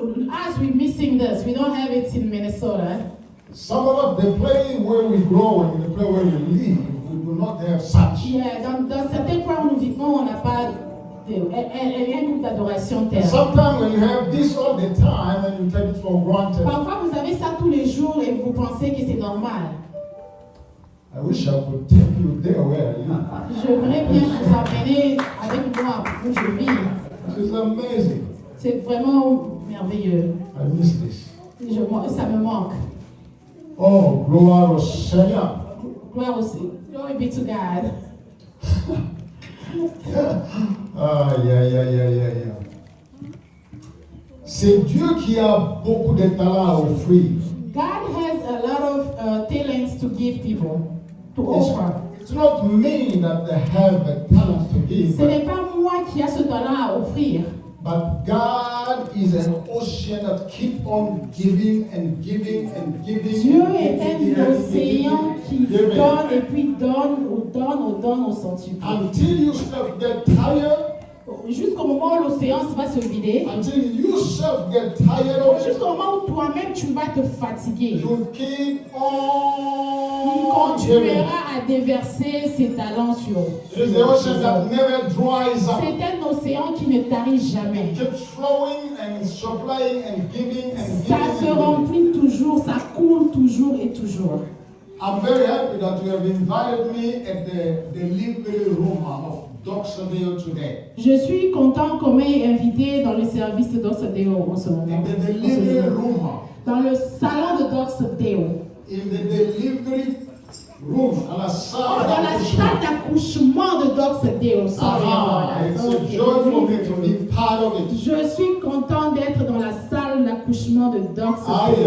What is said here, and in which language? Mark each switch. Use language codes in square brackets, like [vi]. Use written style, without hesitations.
[en] As we're missing this, we don't have it in Minnesota. Some of the place where we grow and the place where we live, we do not have such. [fr] Yeah, dans certains points où nous vivons, on n'a pas un groupe d'adoration tel. [en] Sometimes when you have this all the time and you take it for granted. [fr] Parfois, vous avez ça tous les jours et vous pensez que c'est normal. [en] I wish I could take you there where I live. [fr] J'aimerais bien vous amener avec moi où je vis. [en] It's amazing. [fr] C'est vraiment merveilleux. [en] I miss this. [fr] Ça me manque. Oh, gloire au Seigneur. Gloire aussi. [en] Glory be to God. Yeah. [fr] C'est Dieu qui a beaucoup de talents à offrir. [en] God has a lot of talents to give people. It's not me that they have a talent to give. [fr] Ce n'est pas moi qui a ce talent à offrir. [en] But God is an ocean that keeps on giving and giving and giving. [fr] Dieu est un océan qui donne et puis donne au centuple. [en] Until you start to get tired. [fr] Jusqu'au moment où l'océan va se vider. [en] Until you yourself get tired of it. [fr] Jusqu'au moment où toi-même tu vas te fatiguer. [en] You keep on. [fr] Tu continueras à déverser ces talents sur. [en] It's an ocean that never dries up. [fr] C'est un océan qui ne tarit jamais. [en] It keeps flowing and supplying and giving and giving. [fr] Ça se remplit toujours, ça coule toujours et toujours. [en] I'm very happy that you have invited me at the Liberty Room of Doxa Deo today. [fr] Je suis content qu'on m'ait invité dans le service de Doxa Deo en ce moment. [en] In the Liberty Room. [fr] Dans le salon de Doxa Deo. [en] In the Delivery Room. [fr] Dans la salle d'accouchement de Doxa Deo. Je suis content d'être dans la salle d'accouchement de Doxa Deo.